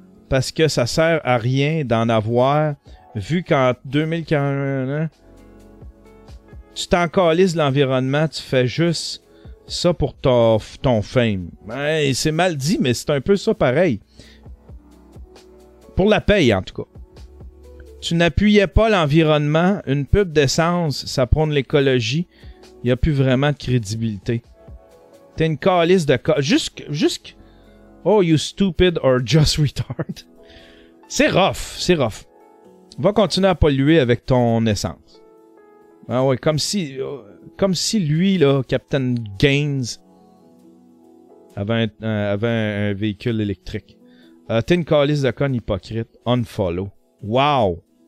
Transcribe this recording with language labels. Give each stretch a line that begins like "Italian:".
French: Parce que ça sert à rien d'en avoir, vu qu'en 2040, tu t'encalises de l'environnement, tu fais juste ça pour ton fame. Ouais, c'est mal dit, mais c'est un peu ça pareil. Pour la paye, en tout cas. Tu n'appuyais pas l'environnement, une pub d'essence, ça prône l'écologie, il n'y a plus vraiment de crédibilité. T'es une calisse de... Jusque...
English: Oh, you stupid or just retard.
French: C'est rough. Va continuer à polluer avec ton essence. Ah ouais, comme si lui, là, Captain Gaines, avait un véhicule électrique. T'es une calice de con hypocrite. Unfollow. Wow.